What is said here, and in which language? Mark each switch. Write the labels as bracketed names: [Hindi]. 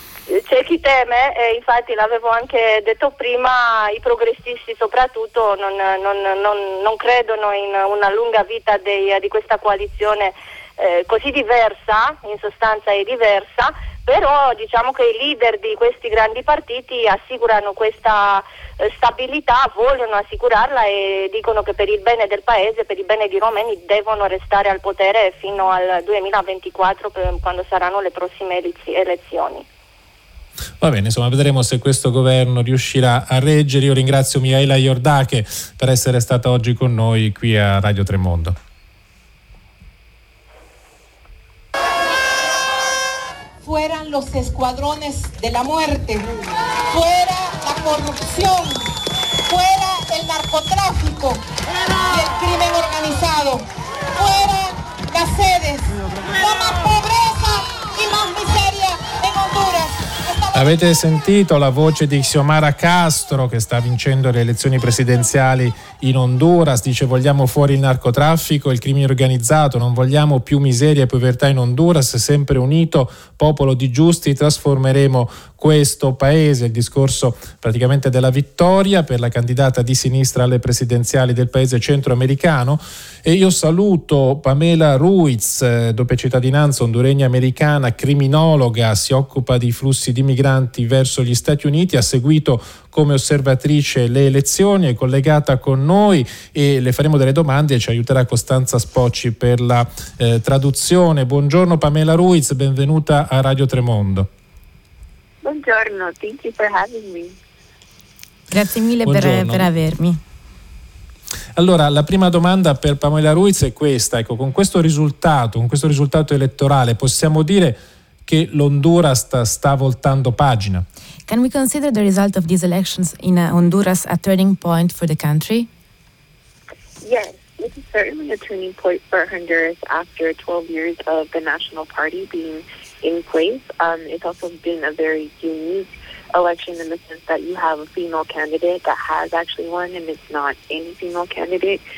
[Italian] C'è chi teme, e infatti l'avevo anche detto prima, i progressisti soprattutto non credono in una lunga vita di questa coalizione così diversa, in sostanza è diversa, però diciamo che i leader di questi grandi partiti assicurano questa stabilità, vogliono assicurarla e dicono che per il bene del paese, per il bene dei romeni, devono restare al potere fino al 2024, quando saranno le prossime elezioni. Va bene, insomma, vedremo se questo governo riuscirà a reggere. Io ringrazio Mihaela Iordache per essere stata oggi con noi qui a Radio Tremondo. [Spanish] Fueran los escuadrones de la muerte, fuera la corrupción, fuera el narcotráfico y el crimen organizado, fuera las sedes, la más pobreza y más miseria en Honduras. [Italian] Avete sentito la voce di Xiomara Castro, che sta vincendo le elezioni presidenziali in Honduras. Dice: vogliamo fuori il narcotraffico, il crimine organizzato, non vogliamo più miseria e povertà in Honduras, sempre unito, popolo di giusti, trasformeremo questo paese. Il discorso praticamente della vittoria per la candidata di sinistra alle presidenziali del paese centroamericano. E io saluto Pamela Ruiz, doppia cittadinanza, honduregna americana, criminologa, si occupa di flussi di migranti verso gli Stati Uniti, ha seguito come osservatrice le elezioni, è collegata con noi e le faremo delle domande, e ci aiuterà Costanza Spocci per la traduzione. Buongiorno Pamela Ruiz, benvenuta a Radio Tremondo. Buongiorno, [English] thank you for having me. [Italian] Grazie mille per avermi. Allora, la prima domanda per Pamela Ruiz è questa: ecco, con questo risultato elettorale, possiamo dire che l'Honduras sta voltando pagina? [English] Can we consider the result of these elections in Honduras a turning point for the country? Yes, this is certainly a turning point for Honduras after 12 years of the National Party being in place. It's also been a very unique election in the sense that you have a female candidate that has actually won, and it's not any female candidate.